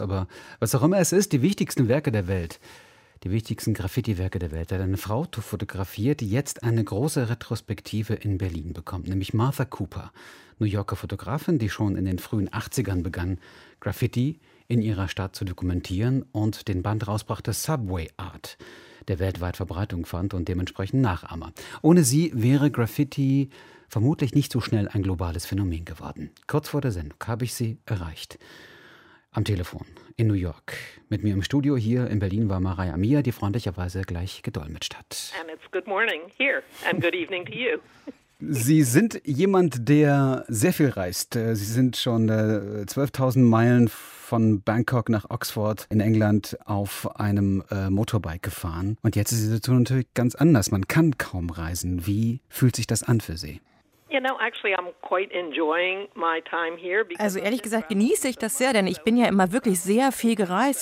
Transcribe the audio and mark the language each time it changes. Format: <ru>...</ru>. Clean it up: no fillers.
<de>Aber was auch immer es ist, die wichtigsten Werke der Welt, die wichtigsten Graffiti-Werke der Welt, hat eine Frau fotografiert, die jetzt eine große Retrospektive in Berlin bekommt, nämlich Martha Cooper, New Yorker Fotografin, die schon in den frühen 80ern begann, Graffiti in ihrer Stadt zu dokumentieren und den Band rausbrachte Subway Art, der weltweit Verbreitung fand und dementsprechend Nachahmer. Ohne sie wäre Graffiti vermutlich nicht so schnell ein globales Phänomen geworden. Kurz vor der Sendung habe ich sie erreicht. Am Telefon in New York. Mit mir im Studio hier in Berlin war Maria Mia, die freundlicherweise gleich gedolmetscht hat.</de> <en>And it's good morning here and good evening to you.</en> <de>Sie sind jemand, der sehr viel reist. Sie sind schon 12.000 Meilen von Bangkok nach Oxford in England auf einem Motorbike gefahren. Und jetzt ist die Situation natürlich ganz anders. Man kann kaum reisen. Wie fühlt sich das an für Sie? Also ehrlich gesagt genieße ich das sehr, denn ich bin ja immer wirklich sehr viel gereist.</de>